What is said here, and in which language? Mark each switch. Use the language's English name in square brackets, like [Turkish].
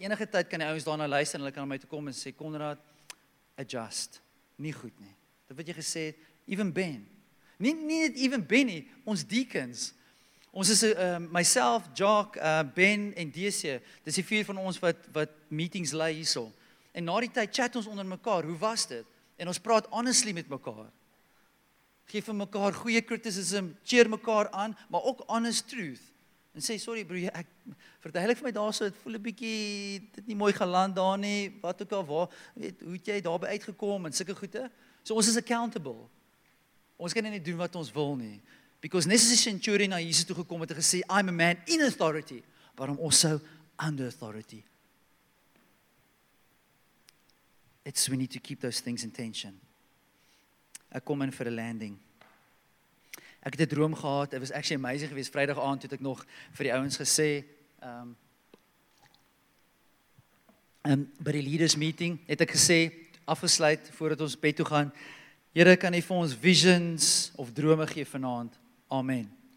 [Afrikaans] Enige tyd kan die ouens daarna luister en hulle kan aan my toe kom en sê Konrad, adjust. Nie goed nie. Dit wat jy gesê het, even Ben. Nie net even Ben nie, ons deacons. Ons is myself, Jock, Ben en DC. Dis die vier van ons wat meetings lei hierso. En na die tyd chat ons onder mekaar. Hoe was dit? En ons praat honestly met mekaar. Geef vir mekaar goeie criticism, cheer mekaar aan, maar ook honest truth. En sê, sorry bro, ek verduidelik vir my daar so, het voel 'n bietjie, dit nie mooi geland daar nie, wat ook al, waar, weet, hoe het jy daarby uitgekom, en sulke goede. So ons is accountable. Ons kan nie doen wat ons wil nie. [English] Because [Afrikaans] net soos die centurion na Jesus toe gekom het en gesê, [English] I'm a man in authority, but I'm also under authority. It's we need to keep those things in tension. [Afrikaans] Ek kom in vir 'n landing. Ek het 'n droom gehad, [English] it was actually amazing [Afrikaans] geweest, Vrydag aand het ek nog vir die ouens gesê, by die leaders meeting, het ek gesê, afgesluit, voordat ons bed toe gaan, Here, kan U vir ons [English] visions of [Afrikaans] drome gee vanaand? Amen.